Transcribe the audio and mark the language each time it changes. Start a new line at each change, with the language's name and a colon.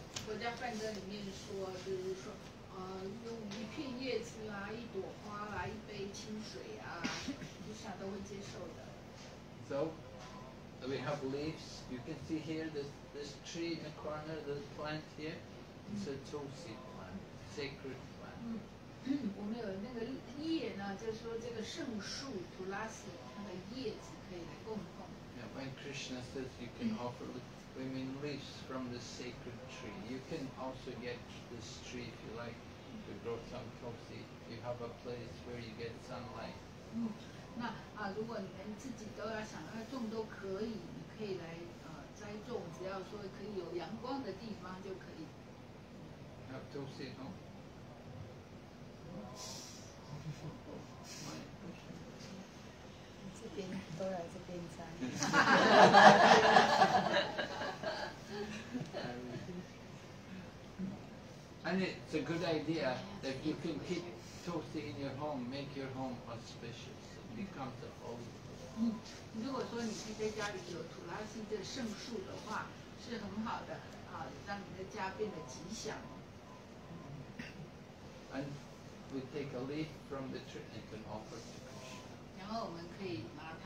Chinese: 佛家梵歌里面说，就是说，用一片叶子啦，一朵花啦，一杯清水啊，Krishna都会接受的。
English: So, we have leaves. You can see here this tree in the corner, this plant here. It's a tulsi plant, sacred plant.
Chinese: 我们有那个叶呢，就说这个圣树 tulasi 它的叶子可以来供奉。
English: Yeah, when Krishna says you can offer women leaves from the sacred tree, you can also get this tree if you like to grow some tulsi. You have a place where you get sunlight.
Chinese: 那如果你们自己都要想要种都可以，你可以来栽种，只要说可以有阳光的地方就可以。
English: Have tulsi at home? And it's a good idea that you can keep tulsi in your home, make your home auspicious. It becomes a holy place.
Chinese: 如果说你是在家里有土拉西的圣树的话，是很好的，让你的家变得吉祥。
English: And we take a leaf from the tree and can offer to Krishna.